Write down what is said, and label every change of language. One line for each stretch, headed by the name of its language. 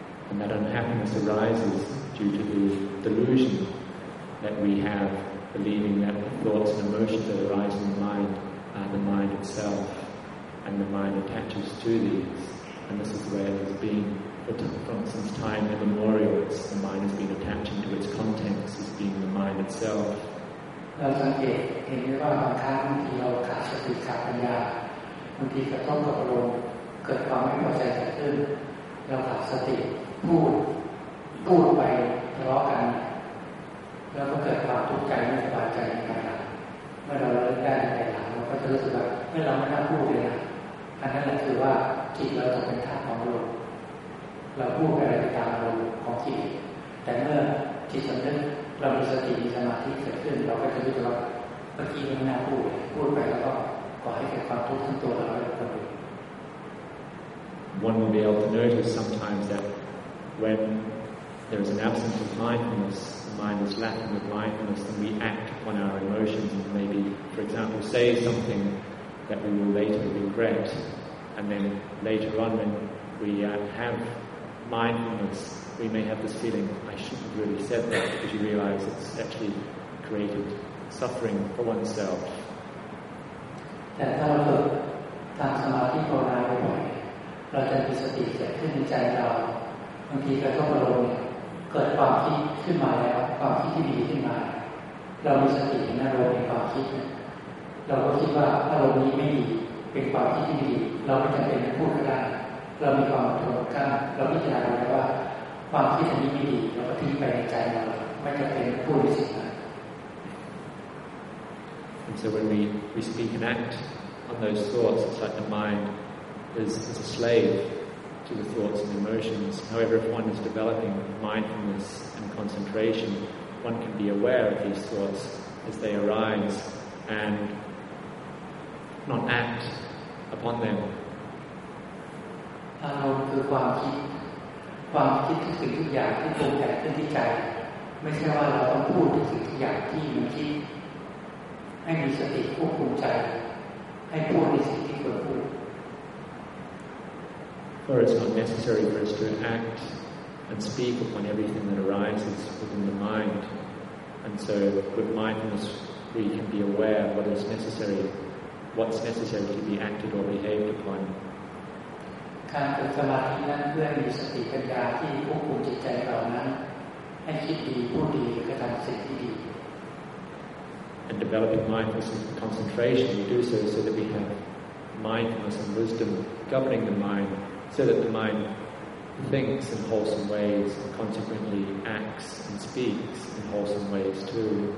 English: And that unhappiness arises due to the delusion that we have believing that thoughts and emotions that arise in the mind are the mind itself and the mind attaches to these and this is where it has been from since time immemorial the mind has been attaching to its contents as being the mind itself
Thai: เราสังเกตเห็นได้ว่าบางครั้งบางทีเราขาดสติขาดปัญญาบางทีกระทบกับอารมณ์เกิดความไม่พอใจเกิดขึ้นเราขาดสติพูดไปทะเลาะกัน แล้วก็เกิดความทุกข์ใจไม่สบายใจในการหลังเมื่อเราเลิกได้ในการหลังเราก็จะรู้สึกว่าเมื่อเราไม่ทำพูดเลยนะอันนั้นแหละคือว่าจิตเราตกเป็นทาสของอารมณ์เราพูดไปในทางอารมณ์ของจิตแต่เมื่อจิตสำนึกเรามีสติมีสมาธิเกิดขึ้นเราก็จะรู้ตัวว่าเมื่อกี้เราไม่น่าพูดไปแล้วก็ขอให้เกิดความทุกข์ขึ้นตัวเราเลยก็ได้
English: One will be able to notice sometimes that when there is an absence of mindfulness, the mind is lacking of mindfulness, and we act upon our emotions and maybe, for example, say something that we will later regret, and then later on when we have mindfulness. We may have this feeling, I shouldn't have really said that, because you realize it's actually created suffering for oneself. But
Thai: เราไม่จำเป็นต้องพูดก็ได้เรามีความอดทนกล้าเราพิจารณาแล้วว่าความคิดอันนี้ไม่ดีเราก็ทิ้งไปในใจเราไม่จำเป็นต้องพูดสิ
English: And so when we speak and act on those thoughts, it's like the mind is a slave to the thoughts and emotions. However, if one is developing mindfulness and concentration, one can be aware of these thoughts as they arise and not act upon them.
Thai: อารมณ์คือความคิดความคิดที่ถึงทุกอย่างที่ปรุงแต่งขึ้นที่ใจไม่ใช่ว่าเราต้องพูดถึงทุกอย่างที่อยู่ที่ให้มีสติควบคุมใจให้พูดในสิ่งที่ควรพูด
English: For it's not necessary for us to act and speak upon everything that arises within the mind. And so with mindfulness we can be aware of what's necessary to be acted or behaved upon.
Thai: การฝึกสมาธินั้นเพื่อมีสติปัญญาที่ควบคุมจิตใจเรานั้นให้คิดดีพูดดีกระทำสิ่งที่ดี
English: And developing mindfulness and concentration, we do so that we have mindfulness and wisdom governing the mind, so that the mind thinks in wholesome ways and consequently acts and speaks in wholesome ways too.